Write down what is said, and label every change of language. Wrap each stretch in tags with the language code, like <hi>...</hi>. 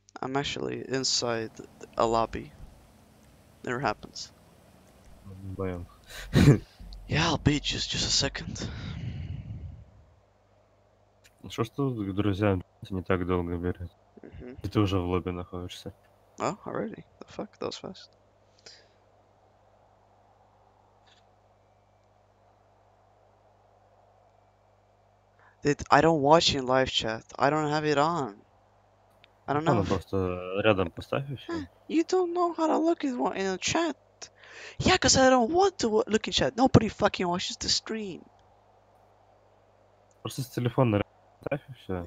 <en>I'm actually inside a lobby. Never happens. Bam. Yeah, I'll be just a second.</en> <ru>Что ж тут к друзьям не так долго берет? И ты уже в лобби находишься.</ru> <en>Oh, already? The fuck? That was fast. Dude, I don't watch in live chat. I don't have it on. I don't</en> <ru>Что, ну</ru> <en>know if...</en> <ru>просто рядом поставь и все.</ru> <en>You don't know how to look in a chat. Yeah, because I don't want to look in chat. Nobody fucking watches the stream.</en> <ru>Просто с телефона ставь и все.</ru>